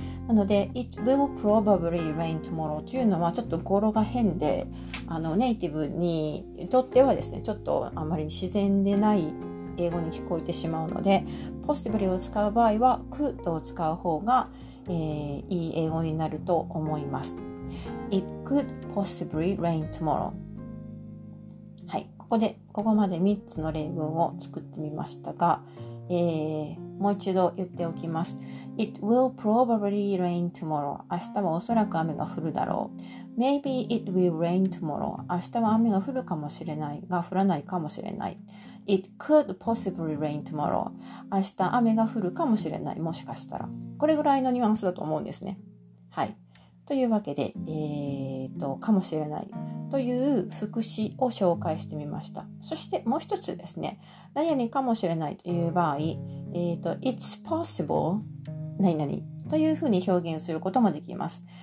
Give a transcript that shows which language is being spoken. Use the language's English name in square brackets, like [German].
[Japanese] なので、 [English] it will probably rain tomorrow [Japanese] というのはちょっと語呂が変で、ネイティブにとってはですね、ちょっとあまり自然でない英語に聞こえてしまうので、possibly を使う場合は could を使う方が、いい英語になると思います。 [English] It could possibly rain tomorrow. [Japanese] はい、ここまで3つの例文を作ってみましたが、もう一度言っておきます。 [English] It will probably rain tomorrow. [Japanese] 明日はおそらく雨が降るだろう。 [English] Maybe it will rain tomorrow. [Japanese] 明日は雨が降るかもしれないが、降らないかもしれない。 [English] It could possibly rain tomorrow. [Japanese] 明日雨が降るかもしれない、もしかしたら。これぐらいのニュアンスだと思うんですね。はい。というわけで、かもしれないという副詞を紹介してみました。そしてもう一つですね、何々かもしれないという場合、 [English] It's possible [Japanese] 何々というふうに表現することもできます。